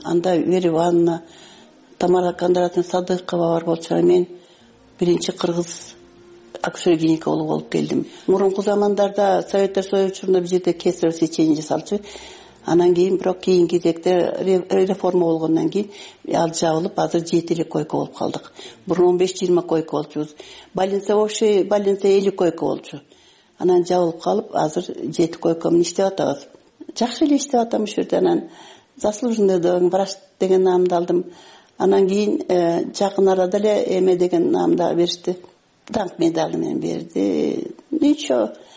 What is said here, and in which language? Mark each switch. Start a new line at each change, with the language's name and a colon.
Kyrgyz: Анда Вера Ивановна, Тамара Кандратовна Садыкова бар болчу, мен биринчи кыргыз акушер-гинеколог болуп келдим. Мурунку замандарда Советтер Союзу учурунда бул жерде кесарево сечение жасалчу. Анан кийин бирок кийин кезекте реформа болгондон кийин ал жабылып, азыр 7 эле койко болуп калдык. Мурун 15-20 койко болчубуз.
Russian: Больница общий, больница 50 койко болчу.
Kyrgyz: Анан жабылып калып, азыр 7 койко менен иштеп атабыз. Жакшы эле иштеп атам ушул жерде. Анан заслуженный деген врач деген наамды алдым. Анан кийин жакын арада эле эме деген наамды берди. Данк медали менен берди. Ничего.